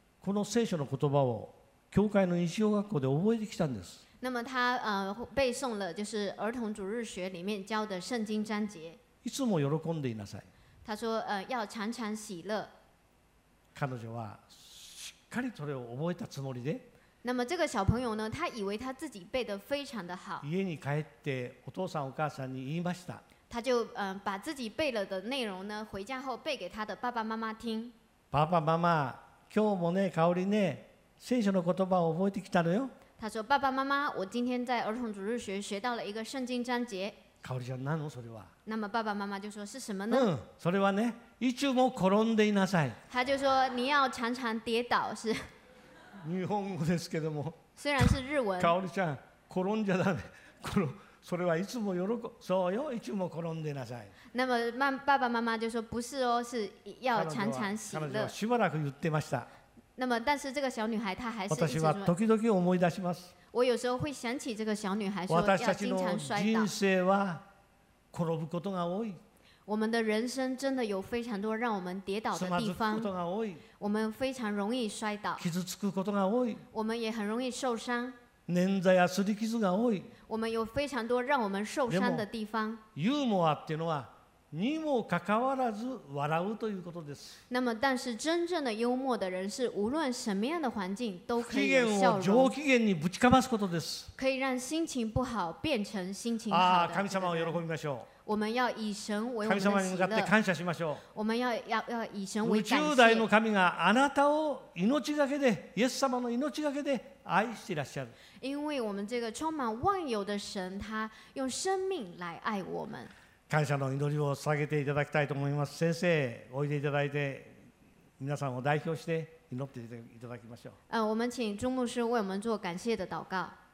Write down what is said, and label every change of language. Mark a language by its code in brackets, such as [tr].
[ja] この聖書の言葉を教会の西洋学校で覚えてきたんです。 [zh] 那么她背诵了就是儿童主日学里面教的圣经章节。 [ja] いつも喜んでいなさい、 [zh] 她说要常常喜乐。 [ja] 彼女はしっかりそれを覚えたつもりで、 [zh] 那么这个小朋友呢，他以为他自己背得非常的好。 [ja] 家に帰ってお父さんお母さんに言いました。 [zh] 他就把自己背了的内容呢，回家后背给他的爸爸妈妈听。爸爸妈妈， [ja] 今日もね、香里ね、聖書の言葉を覚えてきたのよ。 [zh] 他说：“爸爸妈妈，我今天在儿童主日学学到了一个圣经章节。” [ja] 香里ちゃん、なのそれは？ [zh] 那么爸爸妈妈就说：“是什么呢？” [ja] 嗯，それはね、いつも転んでいなさい。 [zh] 他就说：“你要常常跌倒。” 是。 [ja] 日本語ですけども、 [zh] 虽然是日文。 [ja] 香里ちゃん、転んじゃダメ。それはいつも喜ぶ。そうよ、いつも転んでなさい。 [zh] 那么爸爸妈妈就说不是哦，是要常常喜乐。 [ja] 彼女はしばらく言ってました。 [zh] 那么但是这个小女孩她还是。 [ja] 私は時々思い出します。 [zh] 我有时候会想起这个小女孩说要经常摔倒。 [ja] 私たちの人生は転ぶことが多い。 [zh] 我们的人生真的有非常多让我们跌倒的地方。 [ja] つまずくことが多い。 [zh] 我们非常容易摔倒。 [ja] 傷つくことが多い。 [zh] 我们也很容易受伤。 [ja] 捻挫や擦り傷が多い。 [zh] 我们有非常多让我们受伤的地方。 [ja] でもユーモアっていうのはにもかかわらず笑うということです。 [zh] 那么但是真正的幽默的人是无论什么样的环境都可以有笑容。 [ja] 不機嫌を上機嫌にぶちかますことです。 [zh] 可以让心情不好变成心情好的。 [ja] ああ、神様を喜びましょう。 [zh] 我们要以神为我们的喜乐。 [ja] 神様に向かって感謝しましょう。 [zh] 我们 要以神为感谢。 [ja] 宇宙大の神があなたを命がけで、イエス様の命がけで愛していらっしゃる。 [zh] 因为我们这个充满万有的神，他用生命来爱我们。 [ja] 感謝の祈りを捧げていただきたいと思います。先生、おいでいただいて、皆さんを代表して祈っていただきましょう。 [zh] 我们请朱牧师为我们做感谢的祷告。